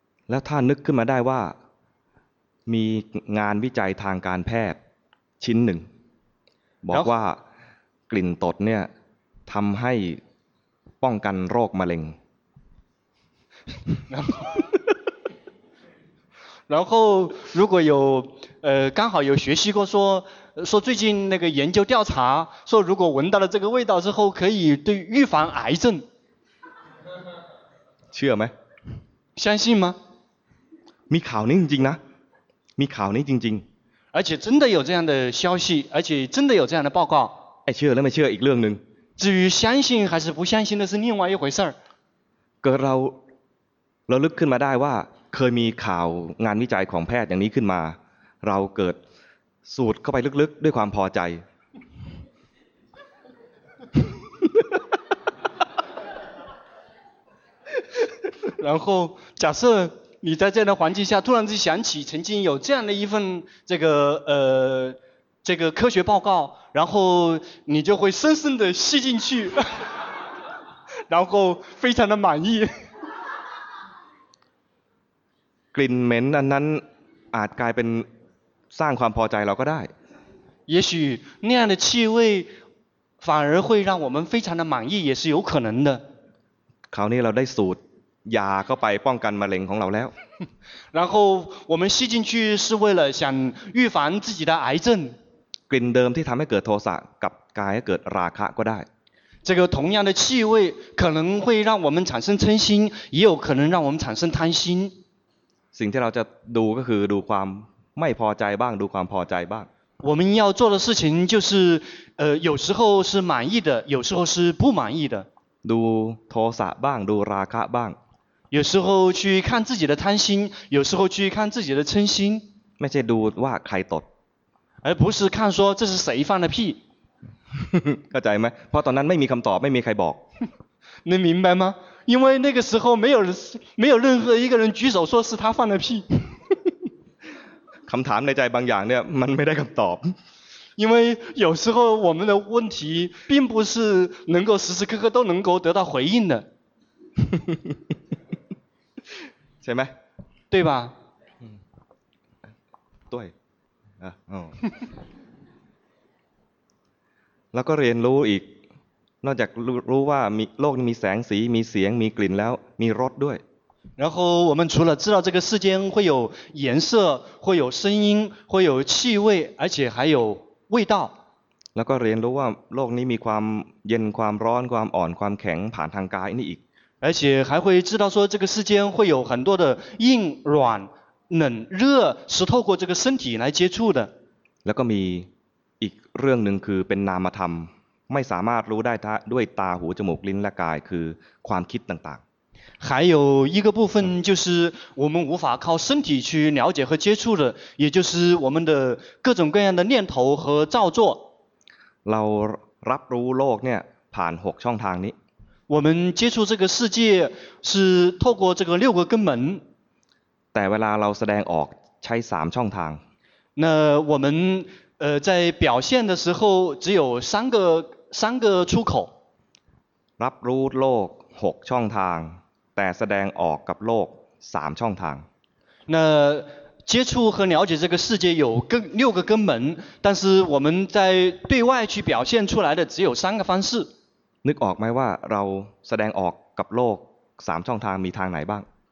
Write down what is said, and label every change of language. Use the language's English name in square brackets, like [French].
[Thai] แล้วถ้านึกขึ้นมาได้ว่ามีงานวิจัยทางการแพทย์ชิ้นหนึ่งบอกว่า กลิ่นตดเนี่ยทำให้ป้องกันโรคมะเร็ง [Chinese] 然后如果有刚好有学习过说最近那个研究调查说如果闻到了这个味道之后可以对预防癌症 [Thai] เชื่อไหม [Chinese] 相信吗 [Thai] มีข่าวนี้จริงๆนะมีข่าวนี้จริง [Chinese] ๆ而且真的有这样的消息而且真的有这样的报告 [Thai] เชื่อแล้วไม่เชื่ออีกเรื่องนึง [Chinese] 至于相信还是不相信的是另外一回事 [Thai] ก็เราลึกขึ้นมาได้ว่าเคยมีข่าวงานวิจัยของแพทย์อย่างนี้ขึ้นมาเราเกิดสูดเข้าไปลึกๆด้วยความพอใจ [Chinese] 然后假设你在这样的环境下突然之间想起曾经有这样的一份这个科学报告然后你就会深深的吸进去然后非常的满意 [Thai] กลิ่นเหม็นอันนั้นอาจกลายเป็นสร้างความพอใจเราก็ได้ [Chinese] 也许那样的气味反而会让我们非常的满意也是有可能的 [Thai] คราวนี้เราได้สูตรยาเข้าไปป้องกันมะเร็งของเราแล้ว [Chinese] 然后我们吸进去是为了想预防自己的癌症 [Thai] กลิ่นเดิมที่ทำให้เกิดโทสะกับกลายให้เกิดราคะก็ได้ [Chinese] 这个同样的气味可能会让我们产生嗔心也有可能让我们产生贪心 [Thai] สิ่งที่เราจะดูก็คือดูความไม่พอใจบ้างดูความพอใจบ้าง [Chinese] 我们要做的事情就是有时候是满意的有时候是不满意的 [Thai] ดูโทสะบ้างดูราคะบ้าง [Chinese] 有时候去看自己的贪心有时候去看自己的嗔心 [Thai] ไม่ใช่ดูว่าใครตด [Chinese] 而不是看说这是谁放的屁 [Thai] เข้าใจไหมเพราะตอนนั้นไม่มีคำตอบไม่มีใครบอก [Chinese] 你明白吗因为那个时候没有任何一个人举手说是他放的屁 [Thai] คำถามในใจบางอย่างเนี่ยมันไม่ได้คำตอบ [Chinese] 因为有时候我们的问题并不是能够时时刻刻都能够得到回应的 [Thai] ใช่ไหม [Chinese] 对吧对 [Thai] แล้วก็เรียนรู้อีกนอกจากรู้ว่ามีโลกมีแสงสีมีเสียงมีกลิ่นแล้วมีรสด้วย [Chinese] 然后我们除了知道这个世间会有颜色会有声音会有气味而且还有味道 [Thai] แล้วก็เรียนรู้ว่าโลกนี้มีความเย็นความร้อนความอ่อนความแข็งผ่านทางกายนี่อีก [Chinese] 而且还会知道说这个世间会有很多的硬软冷热是透过这个身体来接触的 [Thai] แล้วก็มีอีกเรื่องนึงคือเป็นนามธรรมไม่สามารถรู้ได้ด้วยตาหูจมูกลิ้นและกายคือความคิดต่าง [Chinese] ๆ还有一个部分就是我们无法靠身体去了解和接触的也就是我们的各种各样的念头和造作 [Thai] เรารับรู้โลกเนี่ยผ่าน6ช่องทางนี้ [Chinese] 我们接触这个世界是透过这个六个根门 [Thai] แต่เวลาเราแสดงออกใช้3ช่องทาง [Chinese] 那我们在表现的时候只有三个出口 [Thai] รับรู้โลก6ช่องทางแต่แสดงออกกับโลก3ช่องทาง [Chinese] 那接触和了解这个世界有六个根门但是我们在对外去表现出来的只有三个方式 [Thai] นึกออกไหมว่าเราแสดงออกกับโลก3ช่องทางมีทางไหนบ้าง